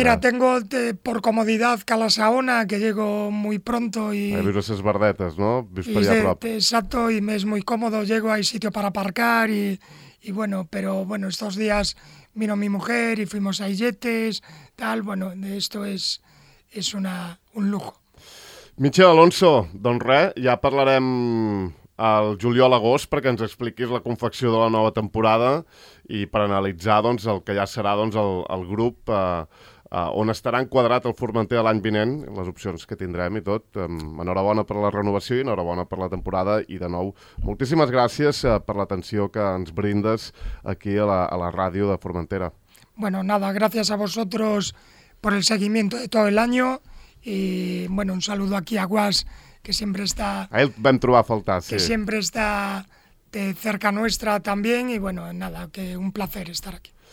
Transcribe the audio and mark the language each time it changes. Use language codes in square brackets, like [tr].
[es] Mira, tengo por comodidad Cala Saona, que llego muy pronto y... [ca] Vius a ses Verdetes, no? Vius per allà a prop. [es] Exacto, y me es muy cómodo, llego, hay sitio para aparcar y bueno, pero bueno, estos días vino mi mujer y fuimos a Illetes, tal, bueno, esto es un lujo. [ca] Michel Alonso, doncs res, ja parlarem el juliol-agost perquè ens expliquis la confecció de la nova temporada i per analitzar doncs, el que ja serà doncs, el grup on estarà enquadrat el Formentera l'any vinent, les opcions que tindrem i tot. Enhorabona per la renovació i enhorabona per la temporada i, de nou, moltíssimes gràcies per l'atenció que ens brindes aquí a la ràdio de Formentera. [es] Bueno, nada, gracias a vosotros por el seguimiento de todo el año y, bueno, un saludo aquí a Guas, que siempre está... [ca] A él vam trobar a faltar, sí. [es] Que siempre está de cerca nuestra también y, bueno, nada, que un placer estar aquí.